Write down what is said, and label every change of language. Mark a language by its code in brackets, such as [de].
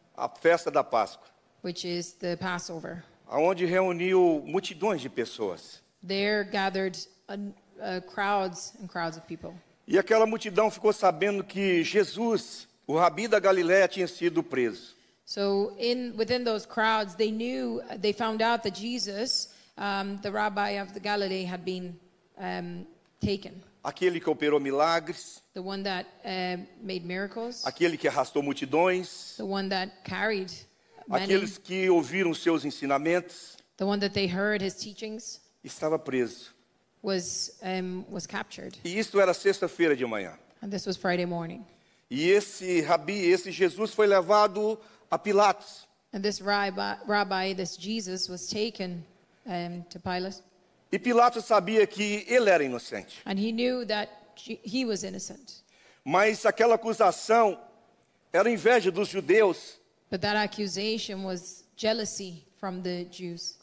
[pt] A festa da Páscoa. [en] Which is the Passover. [pt] Aonde reuniu multidões de pessoas. [en] There gathered crowds and crowds of people. [pt] E aquela multidão ficou sabendo que Jesus, o Rabi da Galileia, tinha sido preso. [en] So in within those crowds, they knew, they found out that Jesus, the Rabbi of the Galilee, had been taken. [pt] Aquele que operou milagres. [en] The one that made miracles. [pt] Aquele que arrastou multidões. [en] The one that carried many. [pt] Aqueles que ouviram seus ensinamentos. [en] The one that they heard his teachings. [pt] Estava preso. [en] Was captured. [pt] E isto era sexta-feira de manhã. [en] And this was Friday morning. [pt] E esse rabi, esse Jesus, foi levado a Pilatos. [en] And this rabbi, this Jesus, was taken to Pilate. [pt] E Pilatos sabia que ele era inocente. [en] And he knew that he was innocent. [pt] Mas aquela acusação era inveja dos judeus. [en] But that accusation was jealousy from the Jews.